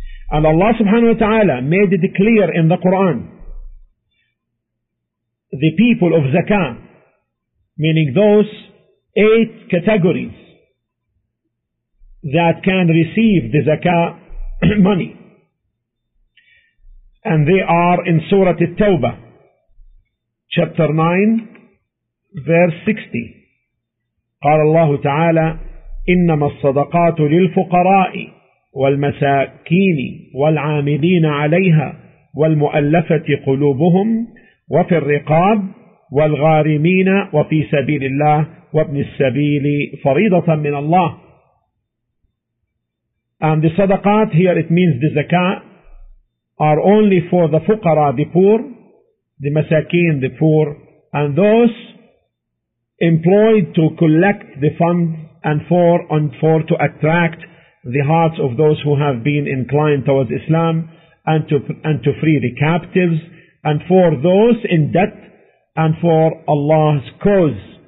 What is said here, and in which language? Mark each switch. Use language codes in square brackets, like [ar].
[en] And Allah subhanahu wa ta'ala made it clear in the Quran, the people of zakah, meaning those 8 categories that can receive the zakah money. And they are in Surah At-Tawbah, chapter 9, verse 60. [ar] قال الله تعالى إنما الصدقات للفقراء والمساكين والعاملين عليها والمؤلفة قلوبهم وفي الرقاب والغارمين وفي سبيل الله وابن السبيل فريضة من الله. [en] And the sadaqat, here it means the zakat, are only for the fuqara, the poor, the masakin, the poor, and those employed to collect the fund and for to attract the hearts of those who have been inclined towards Islam, and to free the captives, and for those in debt, and for Allah's cause.